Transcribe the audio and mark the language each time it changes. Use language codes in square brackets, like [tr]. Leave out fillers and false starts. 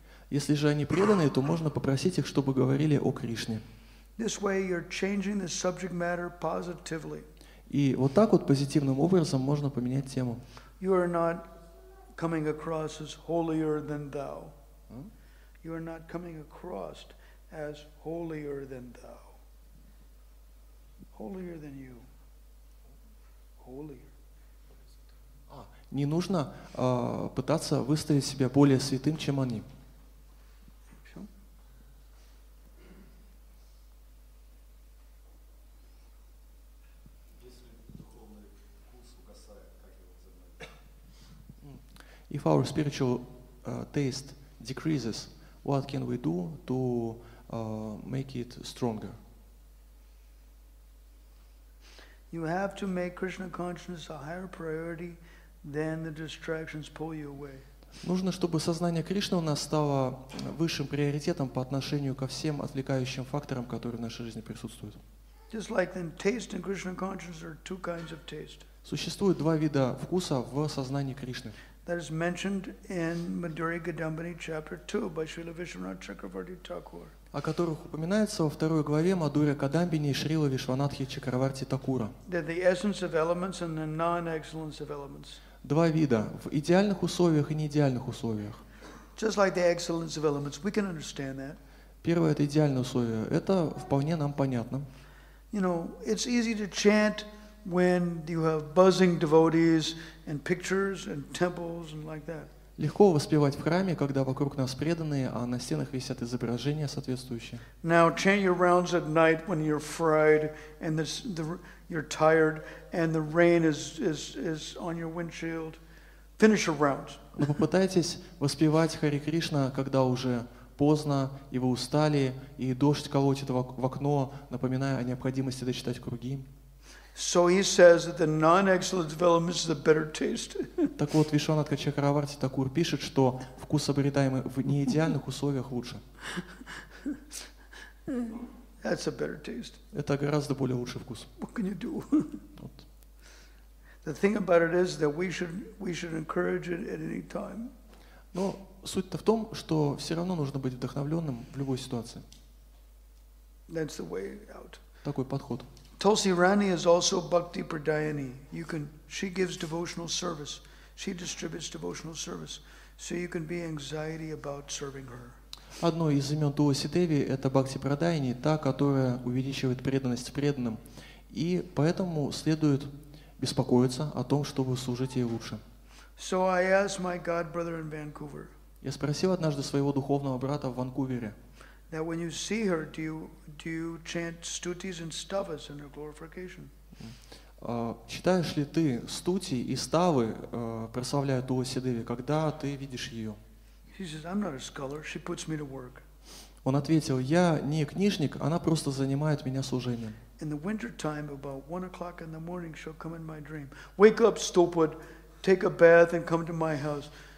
[ru] Если же они преданные, то можно попросить их, чтобы говорили о Кришне. [en] This way you're changing the subject matter positively. [ru] И вот так вот позитивным образом можно поменять тему. [en] You are not coming across as holier than thou. You are not coming across as holier than thou. Holier than you. Holier. [ru] Не нужно пытаться выставить себя более святым, чем они. [en] If our spiritual taste decreases, what can we do to make it stronger? You have to make Krishna consciousness a higher priority. Then the distractions pull you away. [ru] Нужно, чтобы сознание Кришны у нас стало высшим приоритетом по отношению ко всем отвлекающим факторам, которые в нашей жизни присутствуют. [en] Just like then, taste and Krishna consciousness are two kinds of taste. [ru] Существует два вида вкуса в сознании Кришны. [en] That is mentioned in Madhuri Gadambani chapter 2 by Srila Vishwanatha Chakravarti Thakur. [ru] О которых упоминается во второй главе Мадхури Кадамбини и Шрила Вишванатхи Чакраварти Такура. Два вида – в идеальных условиях и неидеальных условиях. [en] Just like the excellence of elements, we can understand that. [ru] Первое – это идеальное условие. Это вполне нам понятно. [en] You know, it's easy to chant when you have buzzing devotees and pictures and temples and like that. [ru] Легко воспевать в храме, когда вокруг нас преданные, а на стенах висят изображения соответствующие. [en] Now chant your rounds at night when you're fried and you're tired and the rain is on your windshield. Finish your rounds. [ru] Но попытайтесь воспевать Хари Кришна, когда уже поздно, и вы устали, и дождь колотит в окно, напоминая о необходимости дочитать круги. [en] So he says that the non-excellent elements is a better taste. [ru] Так вот, Вишванатха Чакраварти Такур пишет, что вкус, обретаемый в неидеальных условиях, лучше. [en] That's a better taste. [ru] Это гораздо более лучший вкус. [en] What can you do? The thing about it is that we should encourage it at any time. [ru] Но суть-то в том, что все равно нужно быть вдохновленным в любой ситуации. [en] That's the way out. [ru] Такой подход. [en] Tulsi Rani is also Bhakti Pradayani. She gives devotional service. She distributes devotional service. So you can be anxiety about serving her. [ru] Одно из имен Туласи Деви – это Бхакти Прадайани, та, которая увеличивает преданность преданным. И поэтому следует беспокоиться о том, чтобы служить ей лучше. [en] So I asked my God brother in Vancouver. [ru] Я спросил однажды своего духовного брата в Ванкувере. [en] That when you see her, do you chant stutis and stavas in her glorification? [ru] Читаешь ли ты стути и ставы, прославляя Туласи Деви, когда ты видишь ее? [en] She says, I'm not a scholar. She puts me to work. [ru] Он ответил, я не книжник, она просто занимает меня служением. [en] In the winter time, about 1 o'clock in the morning, she'll come in my dream. Wake up, stupid. Take a bath and come to my house.